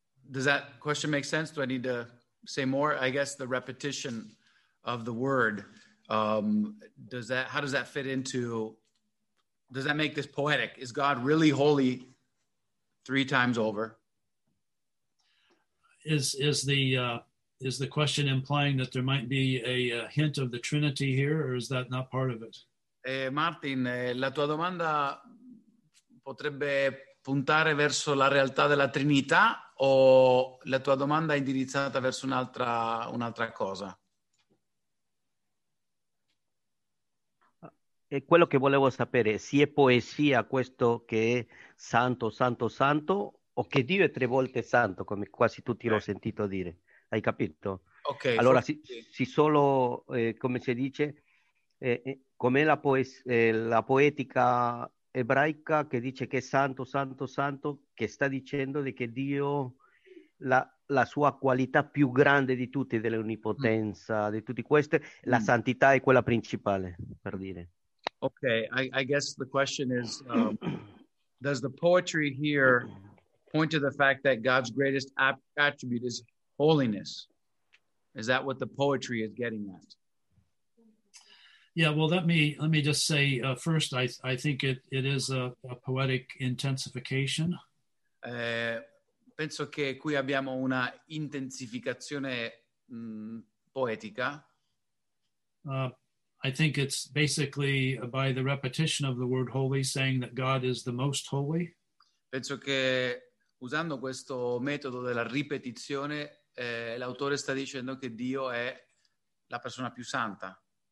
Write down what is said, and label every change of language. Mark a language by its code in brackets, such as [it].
[en] Does that question make sense? Do I need to say more? I guess the repetition of the word, how does that fit into, does that make this poetic? Is God really holy three times over? Is the question implying that there might be a hint of the Trinity here, or is that not part of it? [it] Martin, la tua domanda potrebbe puntare verso la realtà della Trinità o la tua domanda è indirizzata verso un'altra cosa? E quello che volevo sapere, se è poesia questo che è santo, santo, santo, o che Dio è tre volte santo, come quasi tutti l'ho sentito dire. Hai capito? Ok. Allora, se solo, come si dice, com'è la poetica ebraica che dice che è santo, santo, santo, che sta dicendo di che Dio, la sua qualità più grande di tutti, dell'onnipotenza, di tutti questi, la santità è quella principale, per dire. [en] Okay, I guess the question is, does the poetry here point to the fact that God's greatest attribute is holiness? Is that what the poetry is getting at? Yeah, well, let me just say first, I think it is a poetic intensification. [it] Penso che qui abbiamo una intensificazione poetica. [en] I think it's basically by the repetition of the word holy, saying that God is the most holy. [it] Penso che usando questo metodo della ripetizione, l'autore sta dicendo che Dio è la persona più santa.